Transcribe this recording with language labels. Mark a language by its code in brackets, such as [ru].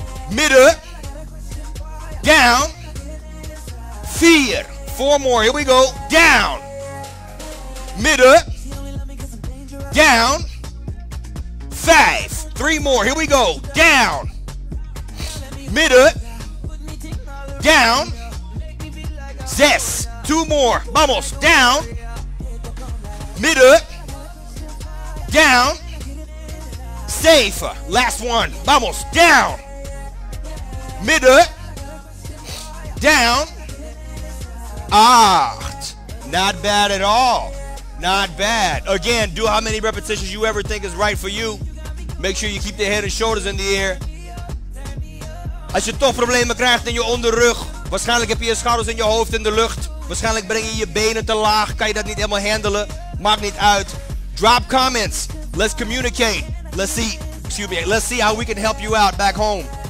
[nl] Midden. [en] Down. [nl] Vier. [en] Four more. Here we go. Down. Midden. Down. Five. Three more. Here we go. Down. Midden. Down. [nl] Zes. [en] Two more. [es] Vamos. [en] Down. Midden. Down. Safe. Last one. Vamos. Down. [nl] Midden. [en] Down. [nl] Acht. [en] Not bad at all. Not bad. Again, do how many repetitions you ever think is right for you. Make sure you keep the head and shoulders in the air. [nl] Als je toch problemen krijgt in je onderrug, waarschijnlijk heb je je schouders en je hoofd in de lucht. Waarschijnlijk breng je je benen te laag. Kan je dat niet helemaal handelen? Maakt niet uit. [en] Drop comments. Let's communicate. Let's see how we can help you out back home.